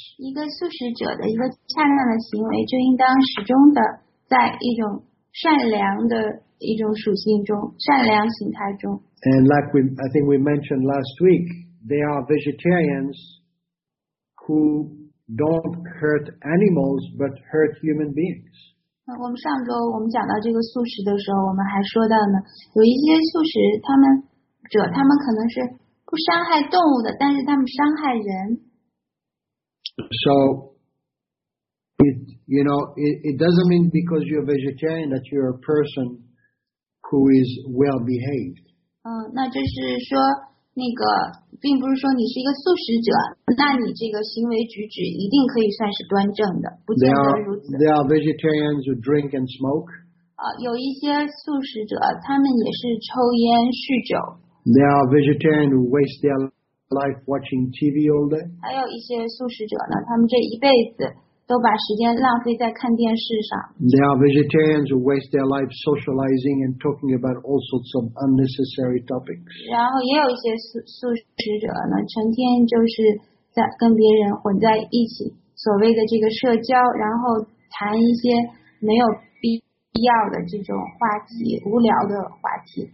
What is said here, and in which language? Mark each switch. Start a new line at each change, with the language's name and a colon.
Chinese: 一个素食者的一个恰当的行为，就应当始终的在一种 善良的一种属性中，善良形态中。
English: And like I think we mentioned last week, there are vegetarians who don't hurt animals but hurt human beings.
Chinese: 我们上周我们讲到这个素食的时候，我们还说到呢，有一些素食他们者，他们可能是不伤害动物的，但是他们伤害人。
English: So, it doesn't mean because you're vegetarian that you're a person who is well behaved.
Chinese: 那就是说那个并不是说你是一个素食者，那你这个行为举止一定可以算是端正的，不见得如此。
English: There are vegetarians who drink and smoke.
Chinese: 有一些素食者他们也是抽烟酗酒。
English: There are vegetarians who waste their life watching TV all day.
Chinese: 还有一些素食者呢，他们这一辈子都把时间浪费在看电视上。
English: There are vegetarians who waste their life socializing and talking about all sorts of unnecessary topics.
Chinese: 然后也有一些素食者呢，成天就是在跟别人混在一起，所谓的这个社交，然后谈一些没有必要的这种话题，无聊的话题。